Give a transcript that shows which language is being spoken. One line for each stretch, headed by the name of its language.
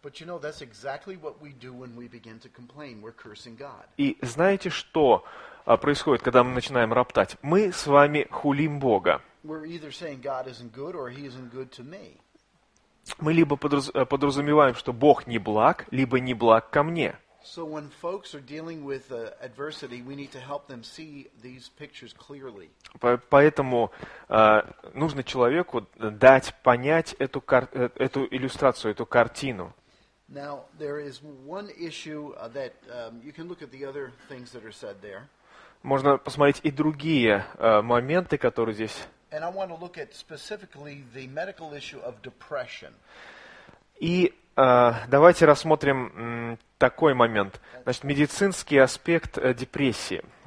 Russian: И знаете, что происходит, когда мы начинаем роптать? Мы с вами хулим Бога. Мы либо подразумеваем, что Бог не благ, либо не благ ко мне.
English: So when folks are dealing with adversity, we need to help them see these pictures clearly.
Russian: Поэтому нужно человеку дать понять эту иллюстрацию, эту картину.
English: Now there is one issue that you can look at the other things that are said there.
Russian: Можно посмотреть и другие моменты, которые здесь.
English: And I want to look at specifically the medical issue of depression.
Russian: И давайте рассмотрим такой момент. Значит, медицинский аспект депрессии.